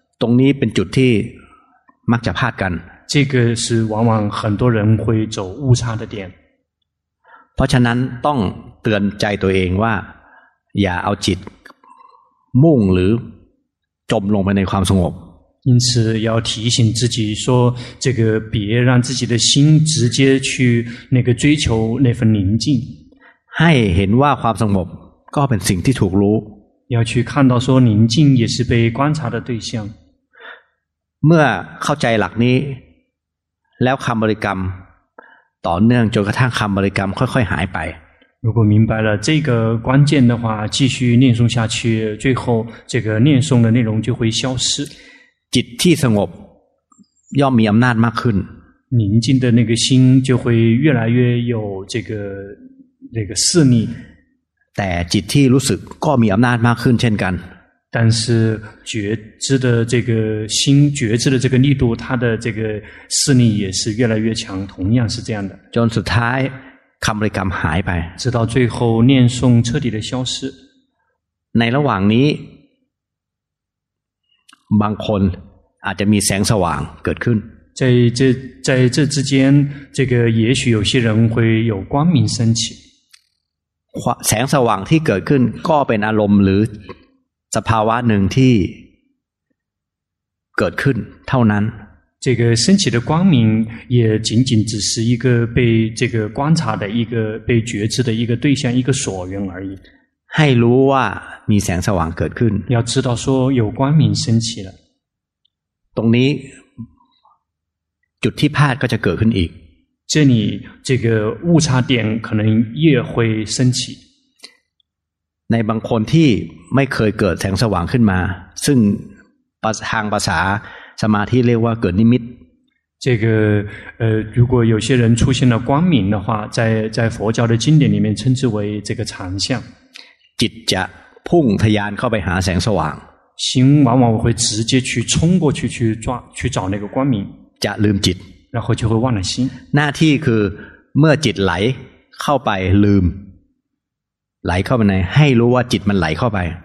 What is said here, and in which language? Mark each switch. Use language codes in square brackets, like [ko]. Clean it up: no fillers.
[th] ตรงนี้เป็นจุดที่มักจะพลาดกัน [zh] 这个是往往很多人会走误差的点 [th] เพราะฉะนั้นต้องเตือนใจตัวเองว่าอย่าเอาจิตมุ่งหรือจมลงไปในความสงบ [zh] 因此要提醒自己说这个别让自己的心直接去那个追求那份宁静 [th] ให้เห็นว่าความสงบก็เป็นสิ่งที่ถูกรู้ [zh] 要去看到说宁静也是被观察的对象 [th] เมื่อเข้าใจหลักนี้แล้วคำบริกรรมต่อเนื่องจนกระทั่งคำบริกรรมค่อยๆหายไป [zh] 如果明白了这个关键的话继续念诵下去最后这个念诵的内容就会消失 [th] จิตที่สงบย่อมมีอำนาจมากขึ้น [zh] 宁静的那个心就会越来越有这个势力 [th] แต่จิตที่รู้สึกก็มีอำนาจมากขึ้นเช่นกัน [zh] 但是觉知的这个心觉知的这个力度它的这个势力也是越来越强同样是这样的 [th] จนสุดท้ายคำบริกรรมหายไป [zh] 直到最后念诵彻底的消失 [th] ในระหว่างนี้บางคนอาจจะมีแสงสว่างเกิดขึ้น [zh] 在这之间这个也许有些人会有光明升起 [th] แสงสว่างที่เกิดขึ้นก็เป็นอารมณ์หรือสภาวะหนึ่งที่เกิดขึ้นเท่านั้น [zh] 这个升起的光明也仅仅只是一个被这个观察的一个被觉知的一个对象一个所缘而已 [th] ให้รู้ว่ามีแสงสว่างเกิดขึ้น [zh] 要知道说有光明升起了 [th] ตรงนี้จุดที่พลาดก็จะเกิดขึ้นอีก [zh] 这里这个误差点可能也会升起 [th] ในบางคนที่ไม่เคยเกิดแสงสว่างขึ้นมาซึ่งทางภาษาสมาธิเรียกว่าเกิดนิมิต [zh] 这个如果有些人出现了光明的话在佛教的经典里面称之为这个常相 [th] จิตจะพุ่งทะยานเข้าไปหาแสงสว่าง [zh] 心往往会直接去冲过去去找那个光明 [th] จะลืมจิต [zh] 然后就会忘了心 [th] หน้าที่คือเมื่อจิตไหลเข้าไปลืมไหลเข้าไปไหนให้รู้ว่าจิตมันไหลเข้าไป